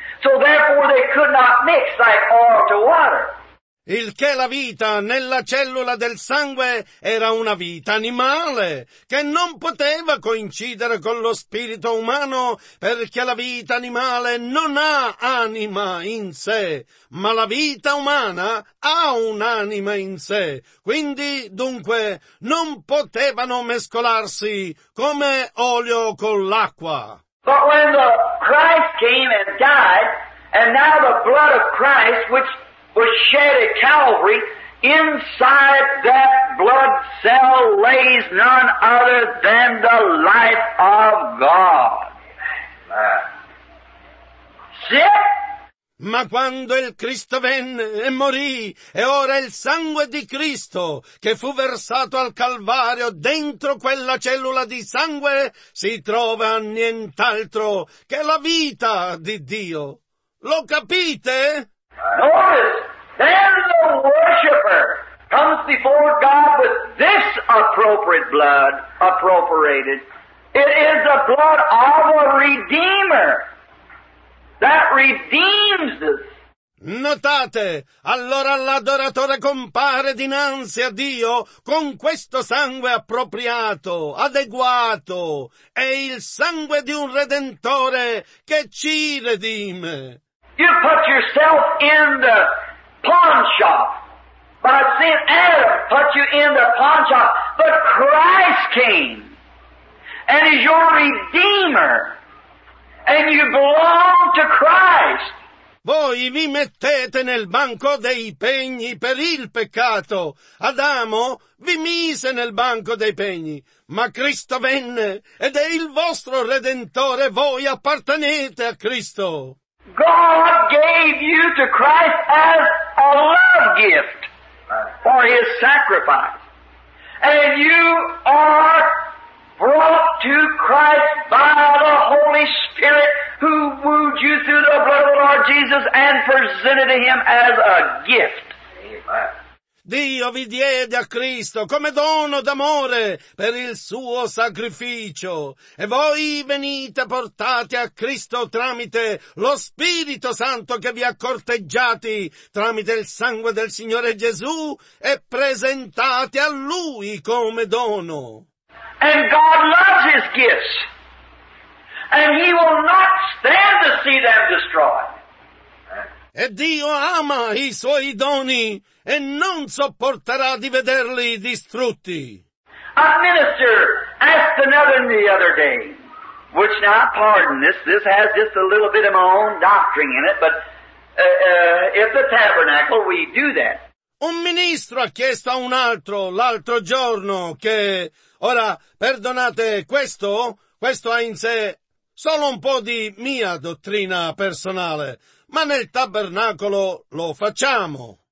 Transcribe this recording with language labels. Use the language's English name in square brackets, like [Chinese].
[English] So therefore they could not mix like oil to water. [Italian] Il che la vita nella cellula del sangue era una vita animale, che non poteva coincidere con lo spirito umano, perché la vita animale non ha anima in sé, ma la vita umana ha un'anima in sé. Quindi, dunque, non potevano mescolarsi come olio con l'acqua. [English] But when the Christ came and died, and now the blood of Christ, which was shed at Calvary, inside that blood cell lays none other than the life of God. See? [Italian] Ma quando il Cristo venne e morì, e ora il sangue di Cristo, che fu versato al Calvario dentro quella cellula di sangue, si trova nient'altro che la vita di Dio. Lo capite? [English] Notice. Then the worshiper comes before God with this appropriate blood, appropriated. It is the blood of a Redeemer that redeems us. [Italian] Notate, allora l'adoratore compare dinanzi a Dio con questo sangue appropriato, adeguato. È il sangue di un Redentore che ci redime. [English] You put yourself in the pawn shop. By sin, Adam put you in the pawn shop. But Christ came and is your Redeemer. And you belong to Christ. [Italian] Voi vi mettete nel banco dei pegni per il peccato. Adamo vi mise nel banco dei pegni, ma Cristo venne ed è il vostro Redentore. Voi appartenete a Cristo. [English] God gave you to Christ as a love gift for his sacrifice. And you are brought to Christ by the Holy Spirit, who wooed you through the blood of the Lord Jesus and presented to him as a gift. [Italian] Dio vi diede a Cristo come dono d'amore per il suo sacrificio, e voi venite portati a Cristo tramite lo Spirito Santo che vi ha corteggiati, tramite il sangue del Signore Gesù, e presentati a Lui come dono. [English] And God loves His gifts, and He will not stand to see them destroyed. [Italian] E Dio ama i suoi doni e non sopporterà di vederli distrutti. [English] A minister asked another the other day, which now I pardon this has just a little bit of my own doctrine in it, but if the tabernacle, we do that. [Italian] Un ministro ha chiesto a un altro l'altro giorno che, ora perdonate questo ha in sé solo un po' di mia dottrina personale, ma nel tabernacolo lo facciamo.